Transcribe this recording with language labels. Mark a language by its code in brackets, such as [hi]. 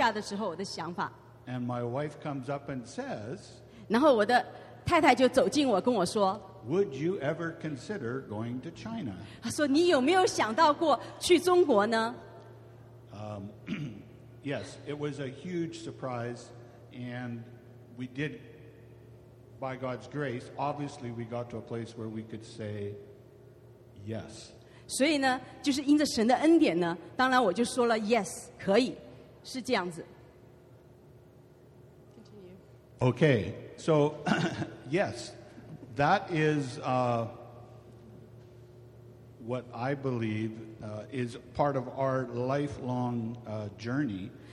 [zh] 你可以想象我的那个就是一个经历，就是我站在我们家阳台上，在看着这个太阳落下的时候，我的想法。And [en] my wife comes up and says, [zh] 然后我的太太就走近我跟我说, [en] Would you ever consider going to China? [zh] 她说你有没有想到过去中国呢? [en] Yes, it was a huge surprise, and we did, by God's grace, obviously we got to a place where we could say, Yes. [zh] 所以呢，就是因着神的恩典呢，当然我就说了 Yes, 可以，是这样子。 [en] Continue. Okay, so yes, that is what I believe is part of our lifelong journey.